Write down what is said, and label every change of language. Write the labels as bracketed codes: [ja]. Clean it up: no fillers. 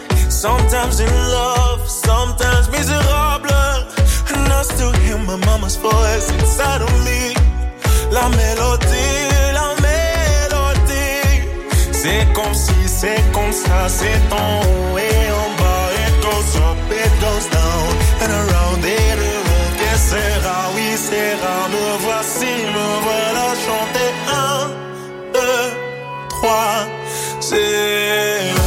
[en] Sometimes in love, sometimes miserable. And I still hear my mama's voice inside of me. [fr] La mélodie, la mélodie. C'est comme ça, c'est en haut et en bas. [en] It goes up, it goes down, and around it around. [fr] Que sera, oui, sera, me voici, me voilà. Chanter 1, 2, 3, c'est...